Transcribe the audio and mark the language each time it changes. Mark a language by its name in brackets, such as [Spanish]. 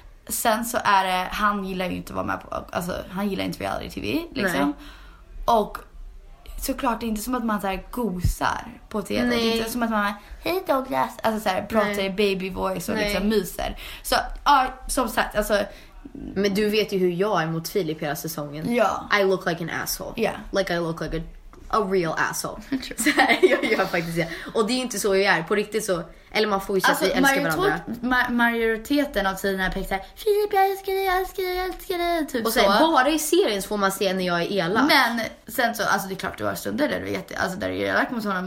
[Swedish] Sen så är det, han gillar ju inte att vara med på, alltså han gillar inte reality TV liksom. Nej. Och såklart, det är inte som att man såhär gosar på TV. Det är inte som att man är, hej Douglas. Alltså såhär, pratar i baby voice och liksom myser. Så, ja, som sagt, alltså. Men du vet ju hur jag är mot Filip hela säsongen. Ja. [English] I look like an asshole. Yeah. Like I look like a real asshole. [Swedish] Såhär, jag gör faktiskt det. Och det är inte så jag är, på riktigt så. Eller man får ju säga att vi älskar varandra. Majoriteten av tiden är pekt såhär, Filip, jag älskar dig, typ. Och sen bara i serien så får man se när jag är elak. Men sen så, alltså det är klart det var stunder där du är jätte, alltså där du är elak mot honom.